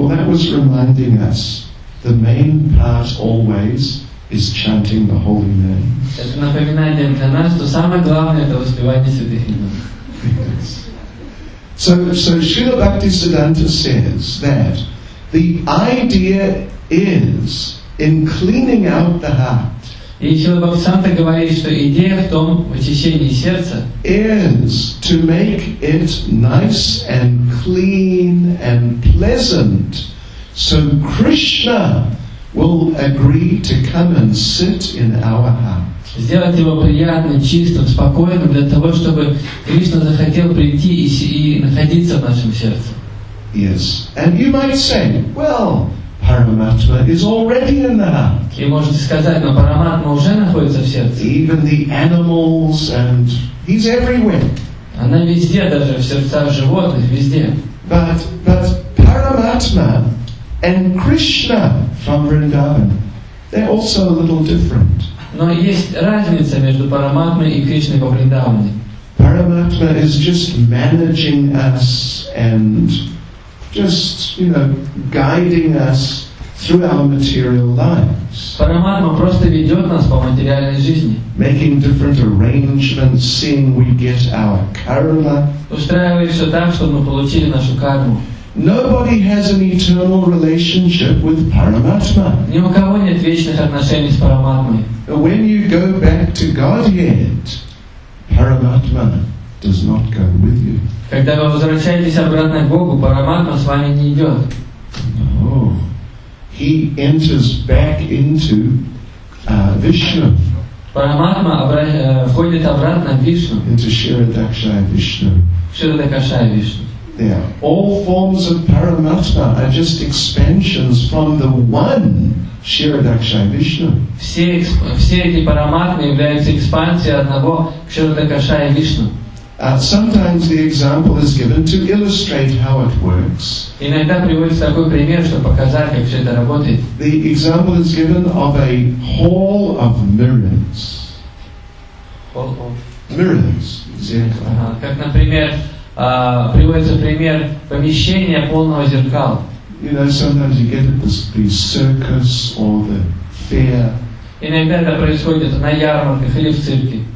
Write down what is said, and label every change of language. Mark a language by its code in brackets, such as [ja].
[en] Was reminding us the main part always is chanting the holy name. [ru] Это напоминает нам для нас, что самое главное это воспевание святых имен. [en] So Srila Bhaktisiddhanta says that the idea is in cleaning out the heart. [ru] И Srila Bhaktisiddhanta говорит, что идея в том, в очищении сердца, [en] is to make it nice and clean and pleasant. So Krishna will agree to come and sit in our heart. [ru] Сделать его приятным, чистым, спокойным для того, чтобы Кришна захотел прийти и находиться в нашем сердце. [en] Yes, and you might say, well, Paramatma is already in the heart. [ru] И можете сказать, но Параматма уже находится в сердце. [en] Even the animals and he's everywhere. [ru] Она везде, даже в сердцах животных, везде. [en] But Paramatma and Krishna from Vrindavan, they're also a little different. [ru] Но есть разница между Параматмой и Кришной во Вриндаване. [en] Paramatma is just managing us and just, you know, guiding us through our material lives. [ru] Параматма просто ведет нас по материальной жизни. [en] Making different arrangements, seeing we get our karma. [ru] Устраивает все так, чтобы мы получили нашу карму. [en] Nobody has an eternal relationship with Paramatma. [ru] Ни у кого нет вечных отношений с Параматмой. [en] When you go back to Godhead, Paramatma does not go with you. [ru] Когда вы возвращаетесь обратно к Богу, Параматма с вами не идет. [en] No. He enters back into Vishnu. [ru] Параматма входит обратно в Вишну. [en] Into Ширадакшая Вишну. [ru] Ширадакшая Вишну. [en] Yeah. All forms of Paramatma are just expansions from the one Ширадакшая Вишну. [ru] Все эти параматмы являются экспансией одного Ширадакшая Вишну. [en] Sometimes the example is given to illustrate how it works. [ru] Иногда приводится такой пример, чтобы показать, как все это работает. [en] The example is given of a hall of mirrors. Hall of mirrors. [ru] Как, например, приводится пример помещения полного зеркал. [en] You know, sometimes you get it the circus or the fair. [ru] Иногда это происходит на ярмарках или в цирке.